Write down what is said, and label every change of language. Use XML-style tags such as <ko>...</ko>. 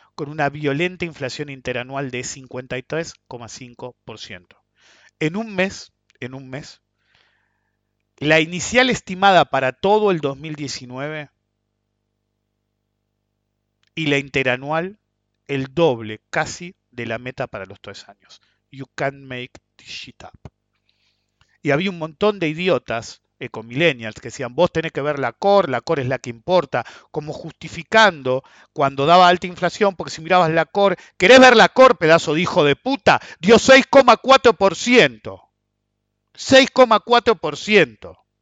<es>Con una violenta inflación interanual de 53,5%. En un mes, la inicial estimada para todo el 2019 y la interanual, el doble casi de la meta para los 3 años.</es> <en>You can't make this shit up.</en> <es>Y había un montón de idiotas, ecomillennials, que decían, vos tenés que ver la core es la que importa, como justificando cuando daba alta inflación, porque si mirabas la core, ¿querés ver la core, pedazo de hijo de puta? Dio 6,4%. 6,4%.</es>